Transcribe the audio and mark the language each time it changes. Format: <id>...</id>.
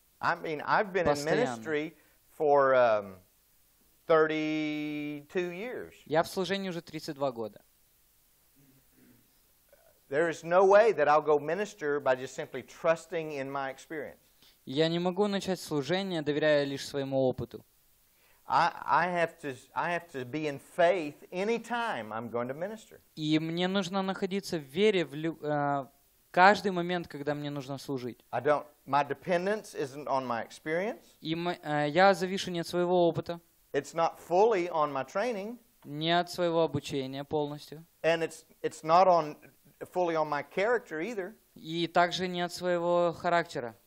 <en>I mean, I've been in ministry for 32 years.</en> <ru>Я в служении уже 32 года.</ru> <en>There is no way that I'll go minister by just simply trusting in my experience.</en> <ru>Я не могу начать служение, доверяя лишь своему опыту.</ru> <en>I have to be in faith any time I'm going to minister.</en> <ru>И мне нужно находиться в вере в каждый момент, когда мне нужно служить.</ru> <en>I don't. My dependence isn't on my experience.</en> <ru>И я завишу не от своего опыта.</ru> <en>It's not fully on my training.</en> <ru>Не от своего обучения полностью.</ru> <en>And it's not on fully on my character either.</en> <ru>И также не от своего характера.</ru>